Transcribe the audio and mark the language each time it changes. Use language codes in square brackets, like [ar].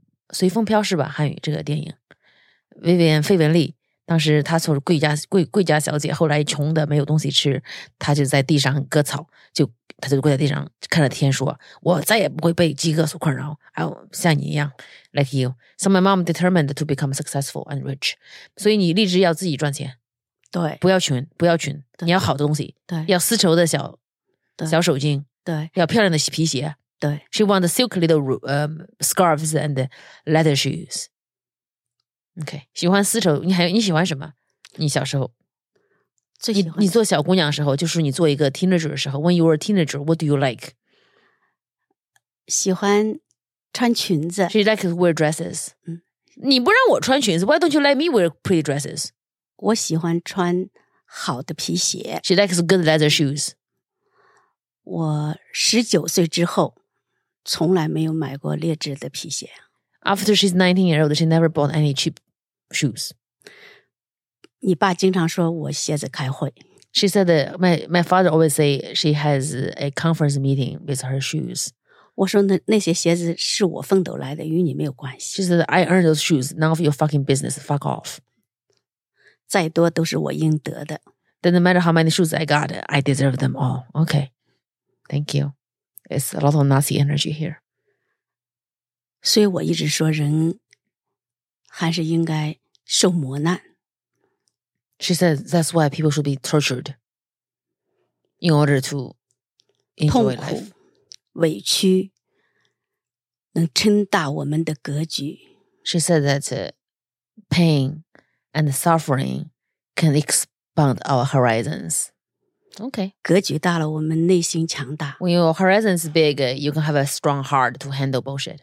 [zh] 随风飘逝吧，韩语这个电影。费文丽，当时她是贵家小姐，后来穷的没有东西吃，她就在地上割草，就他就跪在地上看着天说，我再也不会被饥饿所困扰， [en] I'll, [zh] 像你一样 [en] like you. So my mom determined to become successful and rich. [zh] 所以你立志要自己赚钱，对，不要穷，你要好的东西，对，要丝绸的小小手巾，对，要漂亮的皮鞋，对， [en] she want the silk little scarves and leather shoes. [zh] OK, 喜欢丝绸。你喜欢什么？你小时候你做小姑娘的时候，就是你做一个 teenager 的时候 ， [en] when you were a teenager, what do you like? [zh] 喜欢穿裙子。 [en] She likes to wear dresses. [zh] 你不让我穿裙子 ， [en] why don't you let me wear pretty dresses? [zh] 我喜欢穿好的皮鞋。 [en] She likes good leather shoes. [zh] 我19岁之后从来没有买过劣质的皮鞋。 [en] After she's 19 years old, she never bought any cheap shoes. [zh] 你爸经常说我鞋子开会。 [en] She said that my father always say she has a conference meeting with her shoes. [zh] 我说那些鞋子是我奋斗来的，与你没有关系。 [en] She said, I earned those shoes. None of your fucking business. Fuck off. [zh] 再多都是我应得的。 [en] Then no matter how many shoes I got, I deserve them all. Okay. Thank you. It's a lot of Nazi energy here. [zh] 所以我一直说人还是应该受磨难。 [en] She said, that's why people should be tortured in order to enjoy life. [zh] 痛苦、委屈能撑大我们的格局。 [en] She said that pain and suffering can expand our horizons. Okay. [zh] 格局大了，我们内心强大。 [en] When your horizon's big, you can have a strong heart to handle bullshit.